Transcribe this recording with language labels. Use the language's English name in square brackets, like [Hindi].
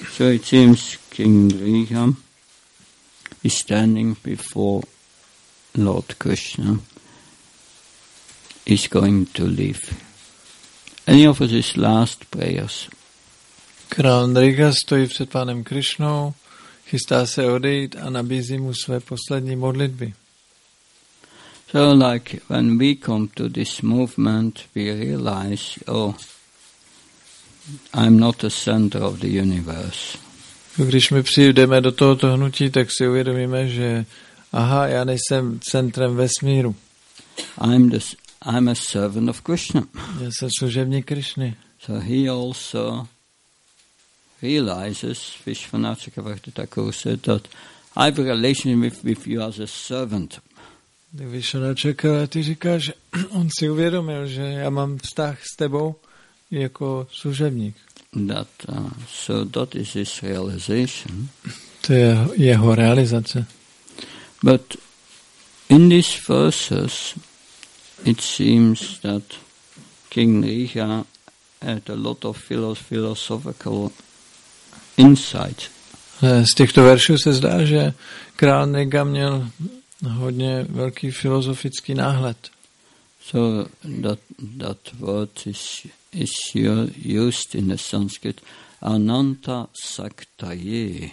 [English] So it seems King Griham is standing before Lord Krishna. He's going to leave. And he offers his last prayers. [Czech] Král Nriha stojí před pánem Krishnou, chystá se odejít a nabízí mu své poslední modlitby. [English] So like when we come to this movement, we realize, oh, I'm not the center of the universe. [Czech] Když my přijdeme do tohoto hnutí, tak si uvědomíme, že aha, já nejsem centrem vesmíru. [English] I'm a servant of Krishna. [Czech] Já jsem služebník Krishny. [English] So he also realizes, Vishvanath Chakravarti Thakur said that I have a relationship with you as a servant. [Czech] Vishvanath Chakravarti říká, že on si uvědomil, že já mám vztah s tebou jako služebník. [English] So that is his realization. [Czech] To je jeho realizace. [English] But in these verses it seems that King Nriha had a lot of philosophical insight. [Czech] Z těchto veršů se zdá, že král Nriha měl hodně velký filozofický náhled. [English] So that word is used in the Sanskrit Ananta Saktaye.